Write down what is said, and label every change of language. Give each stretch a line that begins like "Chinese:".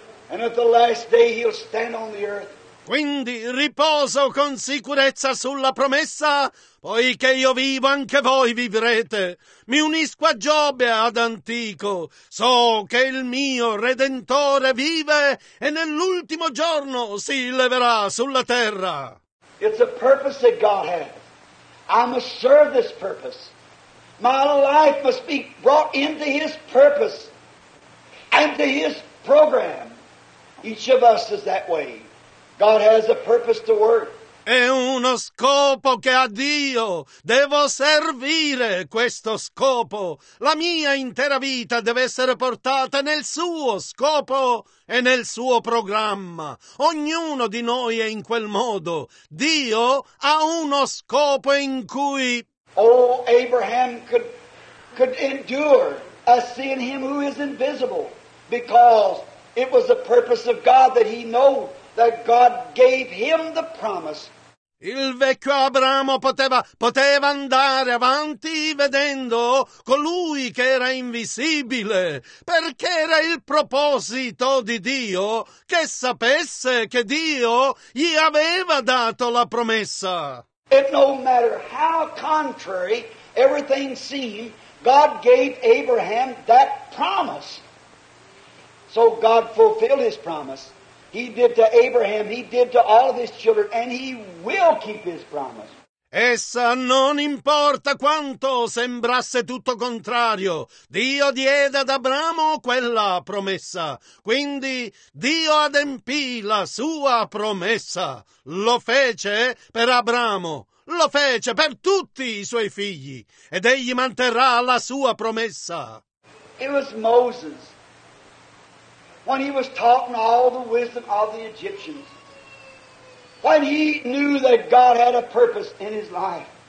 English: And at the last day he'll stand on the earth.
Italian: Quindi riposo con sicurezza sulla promessa, poiché io vivo anche voi vivrete. Mi unisco a Giobbe ad Antico, so che il mio Redentore vive e nell'ultimo giorno si leverà sulla terra.
English: It's a purpose that God has. I must serve this purpose. My life must be brought into His purpose and to His program. Each of us is that way. God has a purpose to work.
Italian: È uno scopo che ha Dio. Devo servire questo scopo. La mia intera vita deve essere portata nel suo scopo e nel suo programma. Ognuno di noi è in quel modo. Dio ha uno scopo in cui...
English: Oh, Abraham could endure us seeing him who is invisible because it was the purpose of God that he know that God gave him the promise.
Italian: Il vecchio Abramo poteva andare avanti vedendo colui che era invisibile, perché era il proposito di Dio che sapesse che Dio gli aveva dato la promessa.
English: It no matter how contrary everything seemed, God gave Abraham that promise. So God fulfilled his promise. He did to Abraham, he did to all of his children, and he will keep his promise.
Italian: Essa non importa quanto sembrasse tutto contrario. Dio diede ad Abramo quella promessa. Quindi Dio adempì la sua promessa. Lo fece per Abramo. Lo fece per tutti i suoi figli. Ed egli manterrà la sua promessa.
English: It was Moses. When he was talking all the wisdom of the Egyptians. When he knew that God had a purpose in his life.